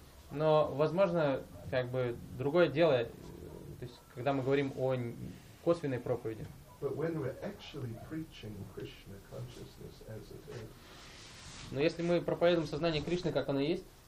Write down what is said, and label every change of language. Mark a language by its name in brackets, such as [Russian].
[Russian] Но, возможно, как бы другое дело, то есть, когда мы говорим о косвенной проповеди. [English] But when we're actually preaching Krishna consciousness as it is. [Russian] Но если мы проповедуем сознание Кришны, как оно есть.